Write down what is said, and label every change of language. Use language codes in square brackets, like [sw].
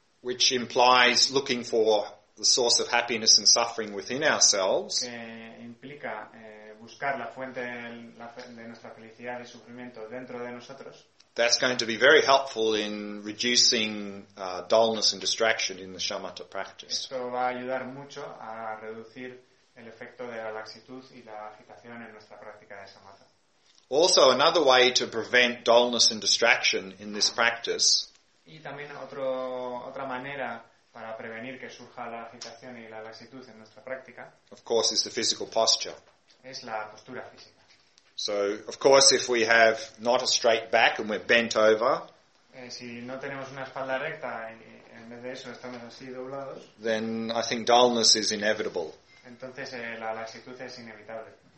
[en] which implies looking for the source of happiness and suffering within ourselves, [es] que implica buscar la fuente de nuestra felicidad y sufrimiento dentro de nosotros, [en] that's going to be very helpful in reducing dullness and distraction in the shamatha practice. [es] Esto va a ayudar mucho a reducir el efecto de la laxitud y la agitación en nuestra práctica de shamatha. [en] Also, another way to prevent dullness and distraction in this practice. [es] Y también otra manera para prevenir que surja la agitación y la laxitud en nuestra práctica. [en] Of course, is the physical posture. [es] Es la postura física. [en] So, of course, if we have not a straight back and we're bent over. [es] Si no tenemos una espalda recta y en vez de eso estamos así doblados. [en] Then I think dullness is inevitable. [es] Entonces la laxitud es inevitable.